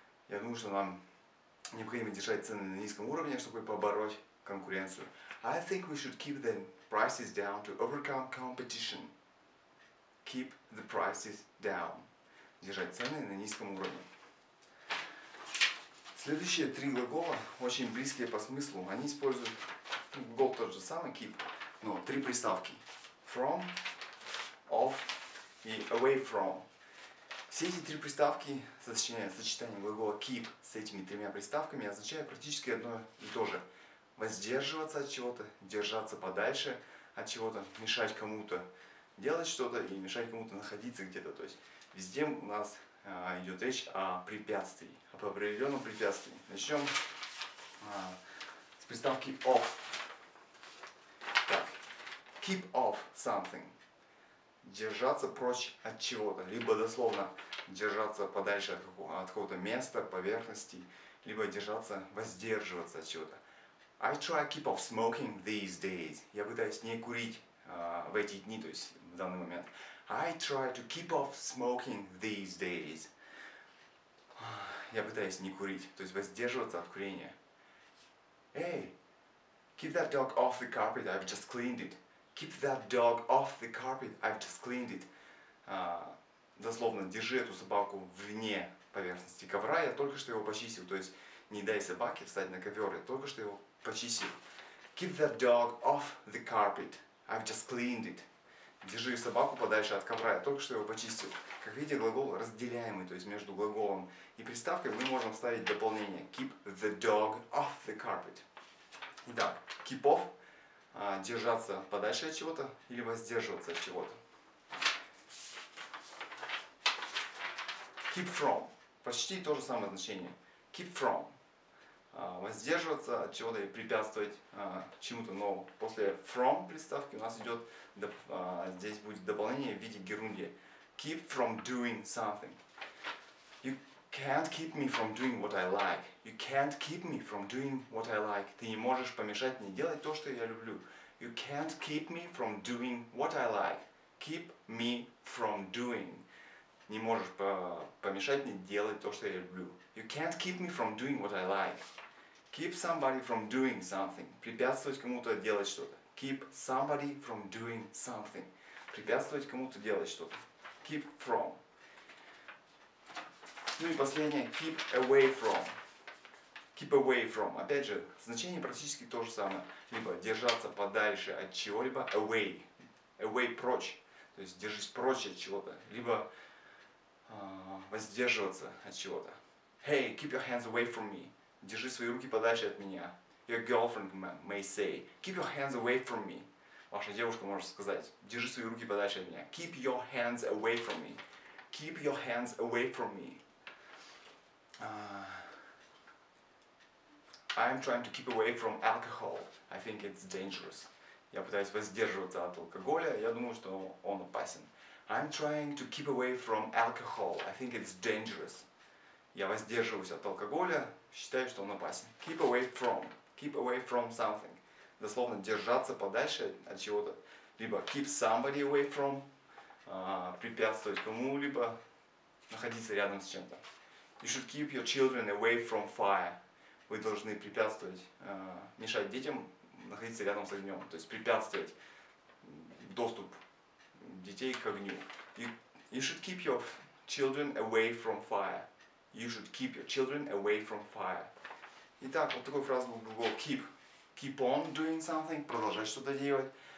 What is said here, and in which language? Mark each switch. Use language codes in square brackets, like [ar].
[ru] Я думаю, что нам необходимо держать цены на низком уровне, чтобы побороть конкуренцию. [en] I think we should keep the prices down to overcome competition. Keep the prices down. [ru] Держать цены на низком уровне. Следующие три глагола очень близкие по смыслу. Они используют глагол тот же самый, keep, но три приставки. [en] From, of и away from. [ru] Все эти три приставки, сочетание глагола keep с этими тремя приставками, означает практически одно и то же. Воздерживаться от чего-то, держаться подальше от чего-то, мешать кому-то делать что-то и мешать кому-то находиться где-то. То есть везде у нас идет речь о препятствии, об определенном препятствии. Начнем с приставки of. [en] Keep off something. [ru] Держаться прочь от чего-то. Либо дословно держаться подальше от какого-то места, поверхности. Либо держаться, воздерживаться от чего-то. [en] I try to keep off smoking these days. [ru] Я пытаюсь не курить в эти дни, то есть в данный момент. [en] I try to keep off smoking these days. [ru] Я пытаюсь не курить, то есть воздерживаться от курения. [en] Hey, keep that dog off the carpet, I've just cleaned it. Keep that dog off the carpet, I've just cleaned it. [ru] Дословно, держи эту собаку вне поверхности ковра, я только что его почистил. То есть, не дай собаке встать на ковер, я только что его почистил. [en] Keep that dog off the carpet, I've just cleaned it. [ru] Держи собаку подальше от ковра, я только что его почистил. Как видите, глагол разделяемый, то есть между глаголом и приставкой мы можем вставить дополнение. [en] Keep the dog off the carpet. Итак, keep off. [ru] Держаться подальше от чего-то или воздерживаться от чего-то. [en] Keep from. [ru] Почти то же самое значение. [en] Keep from. [ru] Воздерживаться от чего-то и препятствовать чему-то новому. После from приставки у нас идет, здесь будет дополнение в виде герундия. [en] Keep from doing something. You can't keep me from doing what I like. You can't keep me from doing what I like. [ru] Ты не можешь помешать мне делать то, что я люблю. [en] You can't keep me from doing what I like. Keep me from doing. [ru] Не можешь помешать мне делать то, что я люблю. [en] You can't keep me from doing what I like. Keep somebody from doing something. [ru] Препятствовать кому-то делать что-то. [en] Keep somebody from doing something. [ru] Препятствовать кому-то делать что-то. [en] Keep from. [ru] Ну и последнее. [en] Keep away from. Keep away from. [ru] Опять же, значение практически то же самое. Либо держаться подальше от чего-либо. [en] Away. Away прочь. [ru] То есть держись прочь от чего-то. Либо воздерживаться от чего-то. [en] Hey, keep your hands away from me. [ru] Держи свои руки подальше от меня. [en] Your girlfriend may say, keep your hands away from me. [ru] Ваша девушка может сказать, держи свои руки подальше от меня. [en] Keep your hands away from me. Keep your hands away from me. I'm trying to keep away from alcohol. I think it's dangerous. [ru] Я пытаюсь воздерживаться от алкоголя. Я думаю, что он опасен. [en] I'm trying to keep away from alcohol. I think it's dangerous. [ru] Я воздерживаюсь от алкоголя. Считаю, что он опасен. [en] Keep away from. Keep away from something. [ru] Дословно, держаться подальше от чего-то. [en] Либо keep somebody away from. [ru] Препятствовать кому-либо. Находиться рядом с чем-то. [en] You should keep your children away from fire. [ru] Вы должны препятствовать, мешать детям находиться рядом с огнем. То есть препятствовать доступ детей к огню. [en] You should keep your children away from fire. You should keep your children away from fire. [ru] Итак, вот такой фраз был глагол keep. [en] Keep on doing something. [ru] Продолжать что-то делать.